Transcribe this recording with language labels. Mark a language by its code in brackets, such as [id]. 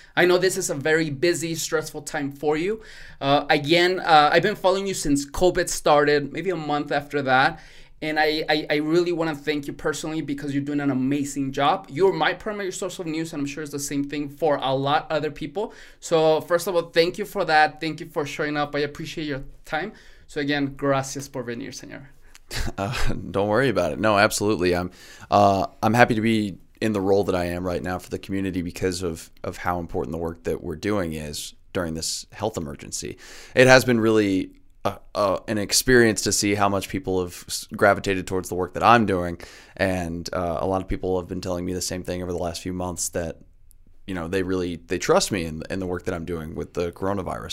[en] I know this is a very busy, stressful time for you. I've been following you since COVID started, maybe a month after that. And I really want to thank you personally because you're doing an amazing job. You're my primary source of news, and I'm sure it's the same thing for a lot other people. So first of all, thank you for that. Thank you for showing up. I appreciate your time. So again, [es] gracias por venir, señor. [en] Don't worry about it. No, absolutely. I'm happy to be in the role that I am right now for the community because of how important the work that we're doing is during this health emergency. It has been really an experience to see how much people have gravitated towards the work that I'm doing, and a lot of people have been telling me the same thing over the last few months that they trust me in the work that I'm doing with the coronavirus.